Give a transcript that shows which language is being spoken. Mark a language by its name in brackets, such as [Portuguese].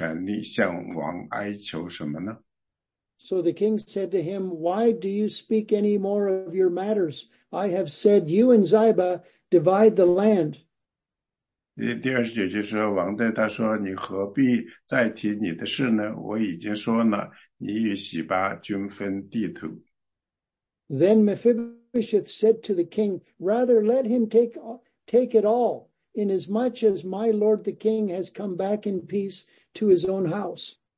[Chinese] 第二十八节说，因为我父全家的人在我主我王面前都算为死人，王却使仆人在王的席上同人吃饭，我还有什么权利向王哀求什么呢？ [English] So the king said to him, why do you speak any more of your matters? I have said, you and Ziba divide the land. [Chinese] 第二十九节说，王对他说，你何必再提你的事呢？我已经说了，你与洗巴均分地图。 [English] Then Mephibosheth said to the king, rather let him take it all, inasmuch as my lord the king has come back in peace to his own house.